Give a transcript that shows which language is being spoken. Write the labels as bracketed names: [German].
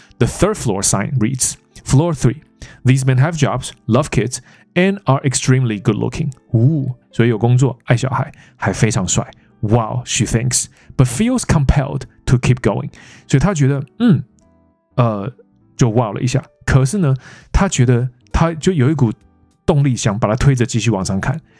[English] The third floor sign reads floor three， these men have jobs， love kids。 And are extremely good looking. [Chinese] Ooh, 所以有工作，爱小孩，还非常帅。 [English] Wow, she thinks, but feels compelled to keep going. [Chinese] 所以她觉得，就 wow 了一下。可是呢，她觉得她就有一股动力，想把她推着继续往上看。